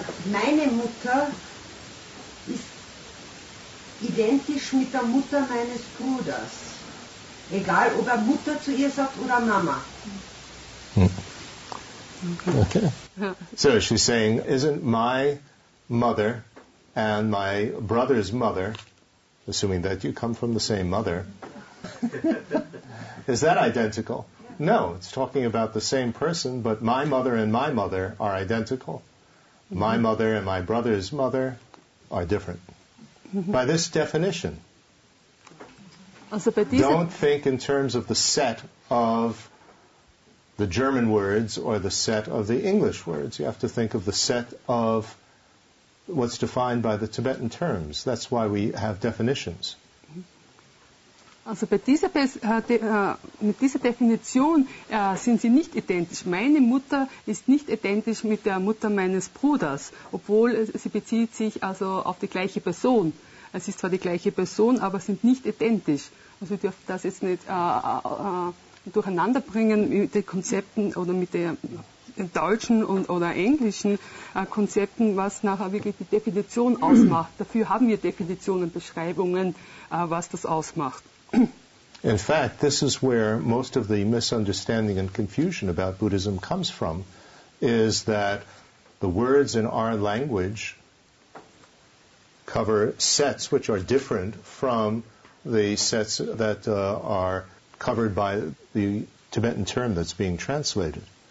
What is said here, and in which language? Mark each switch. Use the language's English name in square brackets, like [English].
[German] Meine Mutter ist identisch mit der Mutter meines Bruders. Egal, ob er Mutter zu ihr sagt oder Mama. [English] Okay. So she's saying, isn't my mother and my brother's mother, assuming that you come from the same mother, is that identical? No, it's talking about the same person, but my mother and my mother are identical. My mother and my brother's mother are different. By this definition, don't think in terms of the set of the German words or the set of the English words. You have to think of the set of what's defined by the Tibetan terms. That's why we have definitions. [German] Also bei dieser, mit dieser Definition sind sie nicht identisch. Meine Mutter ist nicht identisch mit der Mutter meines Bruders, obwohl sie bezieht sich also auf die gleiche Person. Es ist zwar die gleiche Person, aber sind nicht identisch. Also wir dürfen das jetzt nicht durcheinanderbringen mit den Konzepten oder mit den deutschen und oder englischen Konzepten, was nachher wirklich die Definition ausmacht. Dafür haben wir Definitionen, Beschreibungen, was das ausmacht. [English] In fact, this is where most of the misunderstanding and confusion about Buddhism comes from, is that the words in our language cover sets which are different from the sets that are covered by the Tibetan term that's being translated.